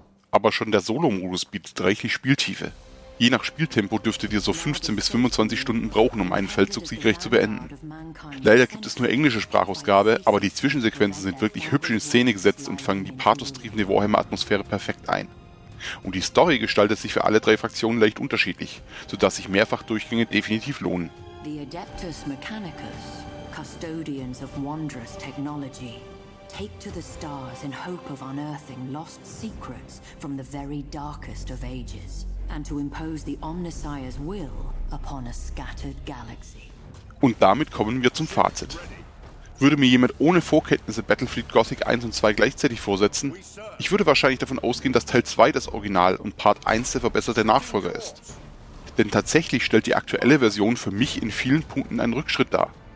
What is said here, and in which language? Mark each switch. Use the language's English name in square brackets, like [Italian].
[German] Aber schon der Solo-Modus bietet reichlich Spieltiefe. Je nach Spieltempo dürftet ihr so 15 bis 25 Stunden brauchen, um einen Feldzug siegreich zu beenden. Leider gibt es nur englische Sprachausgabe, aber die Zwischensequenzen sind wirklich hübsch in Szene gesetzt und fangen die pathostriebende Warhammer-Atmosphäre perfekt ein. Und die Story gestaltet sich für alle 3 Fraktionen leicht unterschiedlich, sodass sich Mehrfachdurchgänge definitiv lohnen. [English] The Adeptus Mechanicus, custodians of wondrous technology, take to the stars in hope of unearthing lost secrets from the very darkest of ages. And to impose the Omnisire's will upon a scattered galaxy. [German] Und damit kommen wir zum Fazit. Würde mir jemand ohne Vorkenntnisse Battlefield Gothic 1 und 2 gleichzeitig vorsetzen, ich würde wahrscheinlich davon ausgehen, dass Teil 2 das Original und Part 1 der verbesserte Nachfolger ist. Denn tatsächlich stellt die aktuelle Version für mich in vielen Punkten einen Rückschritt dar.